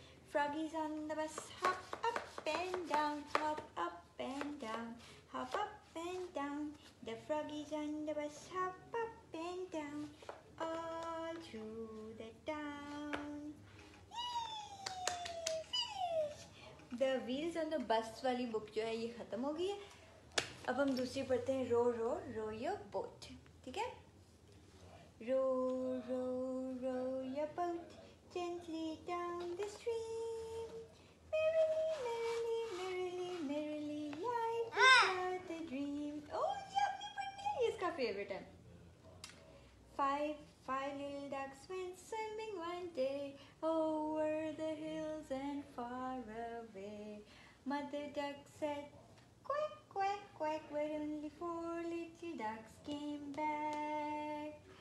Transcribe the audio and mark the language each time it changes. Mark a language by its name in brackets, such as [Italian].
[English] Froggies on the bus hop up and down, hop up and down, hop up and down. The froggies on the bus hop up and down all through the town. Yay! Finish! The wheels on the bus [Hindi] वाली book जो है ये खत्म हो गई है. अब हम दूसरी पढ़ते हैं, [English] row row row your boat. [Hindi] ठीक है? [English] Row row row your boat gently down the stream, merrily merrily merrily merrily, life is the dream. Oh yeah, [Hindi] ये पढ़नी है, इसका favorite है. [English] Five little ducks went swimming one day over the hills and far away. Mother duck said, quack, quack, quack, where only four little ducks came back.